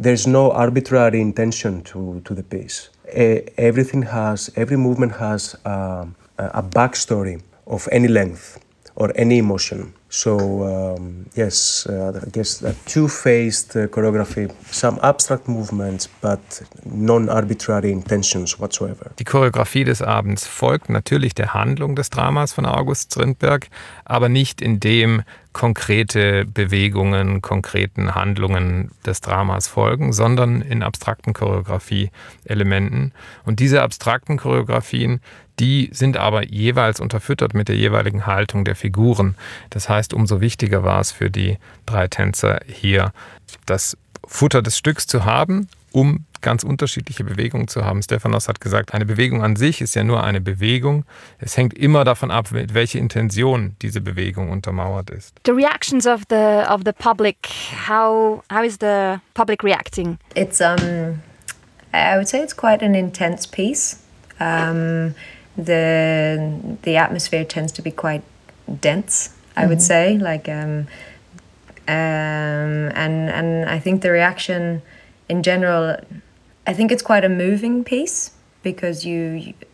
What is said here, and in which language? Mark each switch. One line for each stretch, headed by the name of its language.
English: There's no arbitrary intention to the piece. Every movement has a backstory of any length or any emotion. So I guess a two-faced choreography, some abstract movements, but non-arbitrary intentions whatsoever.
German: Die Choreografie des Abends folgt natürlich der Handlung des Dramas von August Strindberg, aber nicht in dem konkrete Bewegungen, konkreten Handlungen des Dramas folgen, sondern in abstrakten Choreografie-Elementen. Und diese abstrakten Choreografien, die sind aber jeweils unterfüttert mit der jeweiligen Haltung der Figuren. Das heißt, umso wichtiger war es für die drei Tänzer hier, das Futter des Stücks zu haben, um ganz unterschiedliche Bewegungen zu haben. Stephanos hat gesagt, eine Bewegung an sich ist ja nur eine Bewegung. Es hängt immer davon ab, mit welcher Intention diese Bewegung untermauert ist.
English: The reactions of the public. How is the public reacting? It's I would say it's quite an intense piece. The atmosphere tends to be quite dense. I would say and I think the reaction in general, I think it's quite a moving piece because you